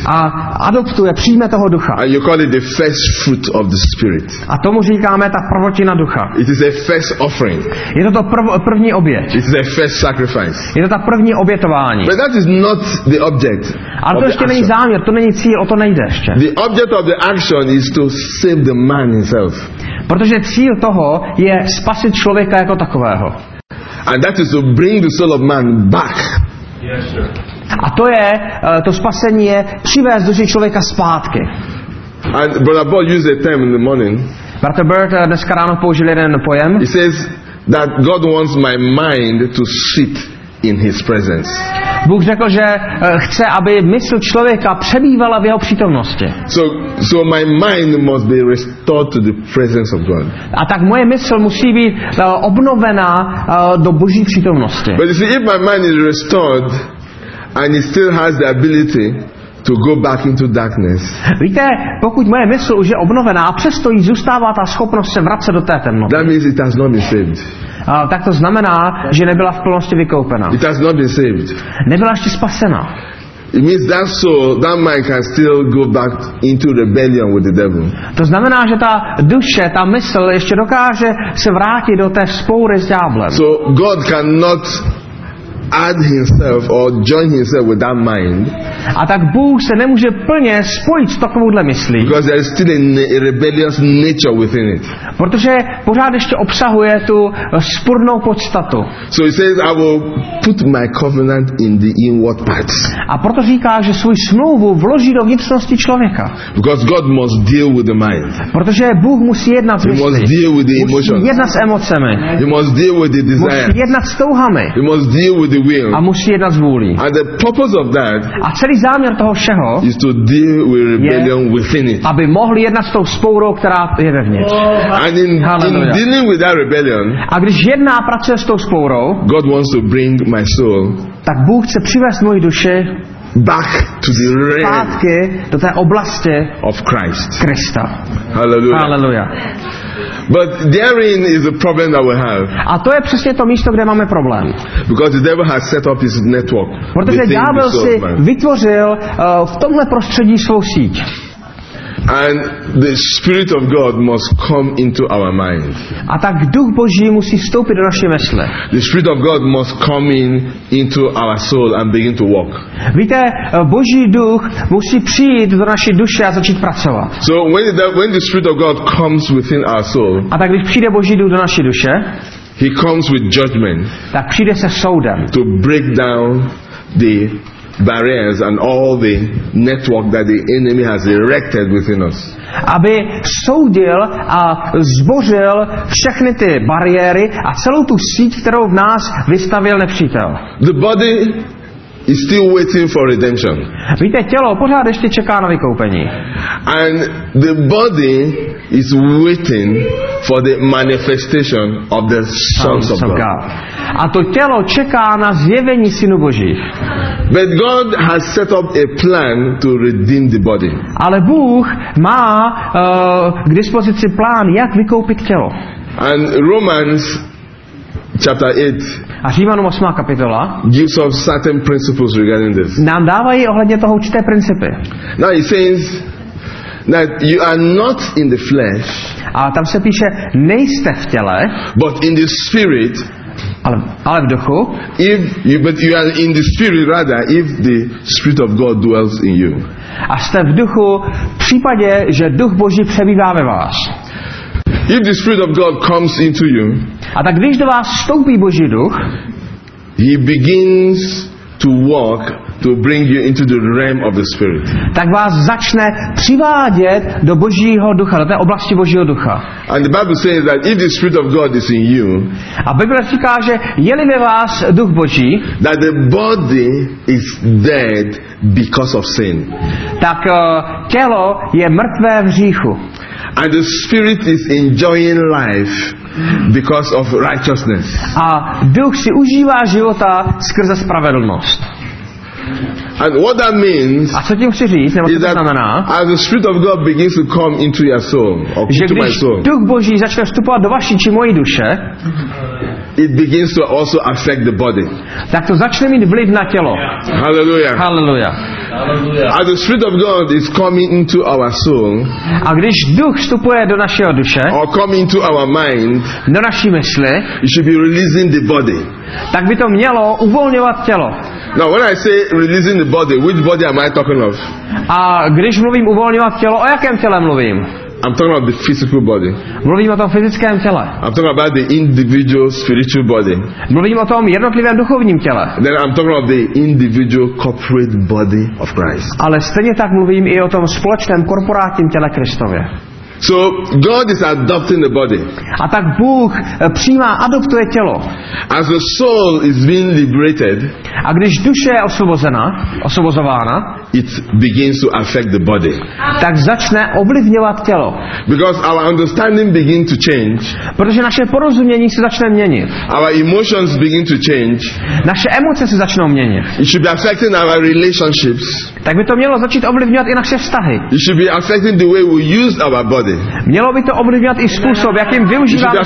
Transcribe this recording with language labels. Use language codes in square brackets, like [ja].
[cs] A adoptuje, přijme toho ducha. [en] And you call it the first fruit of the Spirit. [cs] A tomu říkáme ta prvotina ducha. [en] It is a first offering. [cs] Je to první oběť. [en] It is a first sacrifice. [cs] Je to ta první obětování. [en] But that is not the object. [cs] Ale to ještě není záměr, to není cíl, o to nejde ještě. [en] The object of the action is to save the man himself. [cs] Protože cíl toho je spasit člověka jako takového. [en] And that is to bring the soul of man back. [cs] A to je to spasení je přivést duši člověka zpátky. [en] And Brother Paul used a term in the morning. [cs] Brother Bert dneska ráno použil jeden pojem. [en] He says that God wants my mind to sit in his presence. [cs] Bůh řekl, že chce, aby mysl člověka přebývala v jeho přítomnosti. [en] So my mind must be restored to the presence of God. [cs] A tak moje mysl musí být obnovena do Boží přítomnosti. [en] But you see, if my mind is restored and it still has the ability to go back into darkness. [cs] Víte, pokud moje mysl už je obnovená a přesto jí zůstává ta schopnost se vracet do té temnoty. [en] That means it has not been saved. [cs] Tak to znamená, že nebyla v plnosti vykoupena. [en] It has not been saved. [cs] Nebyla ještě spasena. [en] It means that soul, that mind can still go back into rebellion with the devil. [cs] To znamená, že ta duše, ta mysl ještě dokáže se vrátit do té spoury s ďáblem. [en] So God cannot add himself or join himself with that mind. [cs] A tak Bůh se nemůže plně spojit s takovouhle myslí. [en] Because there is still a rebellious nature within it. [cs] Protože pořád ještě obsahuje tu spornou podstatu. [en] So he says, I will put my covenant in the inward parts. [cs] A proto říká, že svou smlouvu vloží do vnitřnosti člověka. [en] Because God must deal with the mind. [cs] Protože Bůh musí jednat s myslí. [en] He must deal with the emotions. [cs] Musí jednat s emocemi. [en] He must deal with the desires. [cs] Musí jednat s touhami. [en] He must deal with the will. [cs] A musí jednat s vůlí. [en] And the purpose of that. [cs] A celý záměr toho všeho [en] is to deal with rebellion [cs] je, [en] within it. [cs] Aby mohli jednat s tou spourou, která je vevnitř. [en] And in dealing with that rebellion, [cs] a když jedná a pracuje s tou spourou, [en] God wants to bring my soul, [cs] tak Bůh chce přivést moji duši [en] back to the [cs] realm do té oblasti [en] of Christ. [cs] Krista. [en] Hallelujah. [cs] Hallelujah. [en] But therein is the problem that we have. [cs] A to je přesně to místo, kde máme problém. [en] Because the devil has set up his network. [cs] Protože ďábel si vytvořil v tomhle prostředí svou síť. [en] And the Spirit of God must come into our mind. [cs] A tak Duch Boží musí vstoupit do naší mysle. [en] The Spirit of God must come in into our soul and begin to work. [cs] Víte, Boží duch musí přijít do naší duše a začít pracovat. [en] So when the Spirit of God comes within our soul. [cs] A tak když přijde Boží duch do naší duše. [en] He comes with judgment. [cs] Tak přijde se soudem. [en] To break down the barriers and all the network that the enemy has erected within us. [cs] Aby soudil a zbořil všechny ty bariéry a celou tu síť, kterou v nás vystavil nepřítel. [en] The body is still waiting for redemption. [cs] Víte, tělo pořád ještě čeká na vykoupení. [en] And the body is waiting for the manifestation of the sons of God. [cs] A to tělo čeká na zjevení synů Božích. [en] But God has set up a plan to redeem the body. [cs] Ale Bůh má k dispozici plán, jak vykoupit tělo. [en] And Romans chapter 8. [cs] A Římanům 8. kapitola [en] gives us certain principles regarding this. [cs] Nám dávají ohledně toho určité principy. [en] Now he says that you are not in the flesh. [cs] A tam se píše, nejste v těle. [en] But in the spirit. [cs] Ale v duchu. [en] If you, but you are in the spirit rather, if the Spirit of God dwells in you. [cs] A jste v duchu, v případě, že Duch Boží přebývá ve vás. [en] If the Spirit of God comes into you. [cs] A tak když do vás vstoupí Boží duch. [en] He begins to walk to bring you into the realm of the Spirit. [cs] Tak vás začne přivádět do Božího ducha, do té oblasti Božího ducha. [en] And the Bible says that if the Spirit of God is in you. [cs] A Bible říká, že je-li ve vás Duch Boží. [en] That the body is dead because of sin. [cs] Tak tělo je mrtvé v hříchu. [en] And the spirit is enjoying life because of righteousness. [cs] A duch si užívá života skrze spravedlnost. [en] And what that means [cs] a co tím chci říct, nebo [en] is that [cs] znamená, [en] as the Spirit of God begins to come into your soul, or [cs] že [en] into my soul, [cs] duch Boží začne vstupovat do vaší či mojí duše, [en] it begins to also affect the body. [cs] Tak to začne mít vliv na tělo. [en] Hallelujah. [cs] Hallelujah. [en] As the Spirit of God is coming into our soul, [cs] a když duch vstupuje do našeho duše, [en] or coming into our mind, [cs] do naší mysli, [en] it should be releasing the body. [cs] Tak by to mělo uvolňovat tělo. [en] Now when I say releasing the body, which body am I talking of? [cs] A když mluvím uvolňovat tělo, o jakém těle mluvím? [en] I'm talking about the physical body. [cs] Mluvím o tom fyzickém těle. [en] I'm talking about the individual spiritual body. [cs] Mluvím o tom jednotlivém duchovním těle. [en] Then I'm talking about the individual corporate body of Christ. [cs] Ale stejně tak mluvím i o tom společném korporátním těle Kristově. [en] So God is adopting the body. [cs] A tak Bůh přijímá, adoptuje tělo. [en] As the soul is being liberated, [cs] a když duše je osvobozena, osvobozována, [en] it begins to affect the body. [cs] Tak začne ovlivňovat tělo. [en] Because our understanding begin to change. [cs] Protože naše porozumění se začne měnit. [en] Our emotions begin to change. [cs] Naše emoce se začnou měnit. [en] It should be affecting our relationships. [cs] Tak by to mělo začít ovlivňovat i naše vztahy. [en] It should be affecting the way we use our body. [cs] Mělo by to ovlivňovat i způsob, jakým využíváme